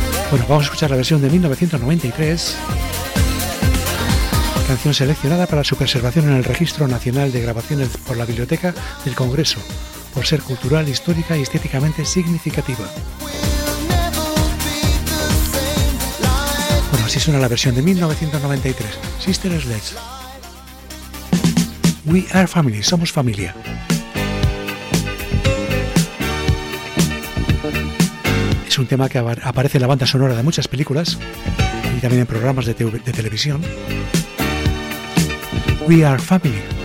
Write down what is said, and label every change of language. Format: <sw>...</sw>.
<es>Bueno, vamos a escuchar la versión de 1993, canción seleccionada para su preservación en el Registro Nacional de Grabaciones por la Biblioteca del Congreso, por ser cultural, histórica y estéticamente significativa. Bueno, así suena la versión de 1993, Sister Sledge.</es> <en>We are family,</en> <es>somos familia. Es un tema que aparece en la banda sonora de muchas películas y también en programas de televisión.</es> <en>We are family.</en>